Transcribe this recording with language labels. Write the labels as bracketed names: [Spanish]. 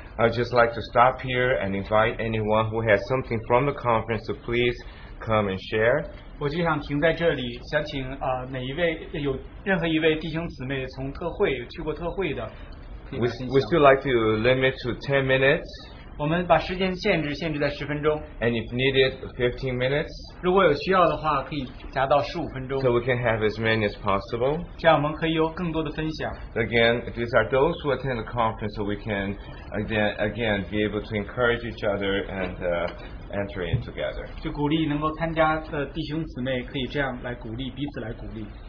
[English] I'd just like to stop here and invite anyone who has something from the conference to please come and share. [Chinese] 我就想停在这里，想请每一位有任何一位弟兄姊妹从特会去过特会的， [English] We still like to limit to 10 minutes. [Chinese] 我们把时间限制在十分钟。 [English] And if needed, 15 minutes. [Chinese] 如果有需要的话，可以加到十五分钟。 [English] So we can have as many as possible. [Chinese] 这样我们可以有更多的分享。 [English] Again, these are those who attend the conference, so we can again be able to encourage each other and enter in together. [Chinese] 就鼓励能够参加的弟兄姊妹可以这样来鼓励彼此来鼓励。